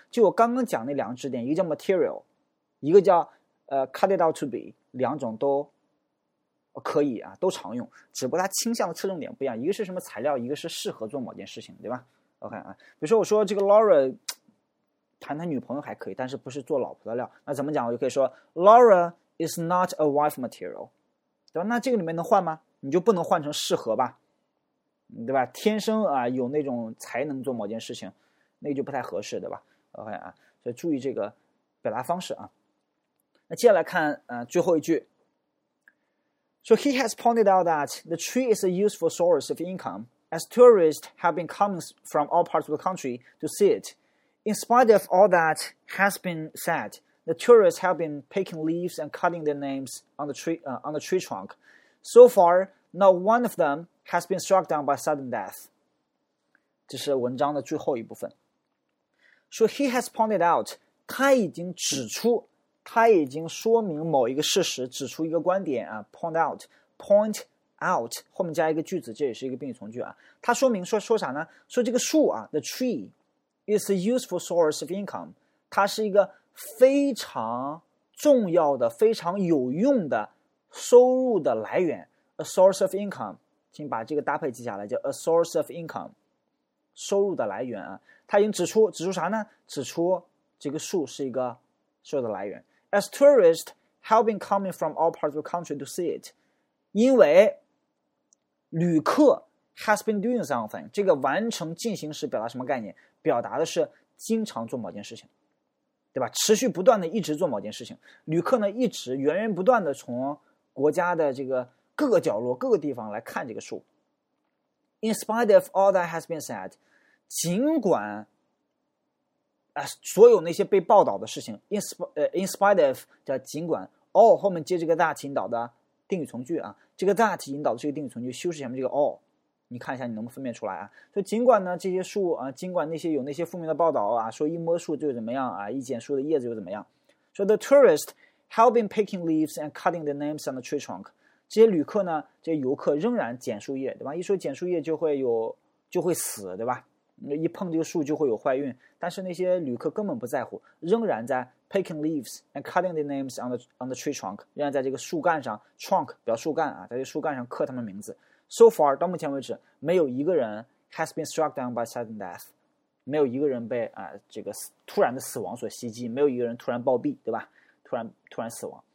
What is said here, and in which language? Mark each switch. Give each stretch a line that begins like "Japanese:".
Chinese: 就我刚刚讲那两个知识点，一个叫 material， 一个叫
English: cut it out to be，
Chinese: 两种都可以啊，都常用，只不过它倾向的侧重点不一样，一个是什么材料，一个是适合做某件事情，对吧 ？OK 啊，比如说我说这个 Laura 谈谈女朋友还可以，但是不是做老婆的料，那怎么讲？我就可以说
English: Laura is not a wife material，
Chinese: 对吧？那这个里面能换吗？你就不能换成适合吧，对吧？天生啊有那种才能做某件事情，那就不太合适，对吧 ？OK 啊，所以注意这个表达方式啊。那接下来看最后一句。
English: So he has pointed out that the tree is a useful source of income, as tourists have been coming from all parts of the country to see it. In spite of all that has been said, the tourists have been picking leaves and cutting their names on the tree trunk. So far, not one of them has been struck down by sudden death.
Chinese: 这是文章的最后一部分。
English: So he has pointed out,
Chinese: 他已经指出他已经说明某一个事实，指出一个观点啊 ，point out 后面加一个句子，这也是一个宾语从句啊。他说明说啥呢？说这个树啊 ，
English: the tree is a useful source of income，
Chinese: 它是一个非常重要的、非常有用的收入的来源 ，a source of income。请把这个搭配记下来，叫 a source of income， 收入的来源啊。他已经指出啥呢？指出这个树是一个。所有的来源
English: ，as tourists have been coming from all parts of the country to see it，
Chinese: 因为旅客
English: has been doing something，
Chinese: 这个完成进行时表达什么概念？表达的是经常做某件事情，对吧？持续不断的一直做某件事情，旅客呢一直源源不断的从国家的这个各个角落、各个地方来看这个树。
English: In spite of all that has been said，
Chinese: 尽管。所有那些被报道的事情 in spite of 叫尽管 all 后面接这个 that 引导的定语从句啊，这个 that 引导的这个定语从句修饰前面这个 all， 你看一下你能不能分辨出来啊？所以尽管呢这些树啊，尽管那些有那些负面的报道啊，说一摸树就怎么样啊，一剪树的叶子就怎么样。
English: So the tourists have been picking leaves and cutting the names on the tree trunk，
Chinese: 这些旅客呢，这些游客仍然剪树叶，对吧？一说剪树叶就会死，对吧？一碰这个树就会有坏运，但是那些旅客根本不在乎，仍然在
English: picking leaves and cutting the names on the tree trunk，
Chinese: 仍然在这个树干上 trunk 表树干啊，在这个树干上刻他们名字。
English: So far
Chinese: 到目前为止，没有一个人
English: has been struck down by sudden death，
Chinese: 没有一个人被这个突然的死亡所袭击，没有一个人突然暴毙，对吧？突然死亡。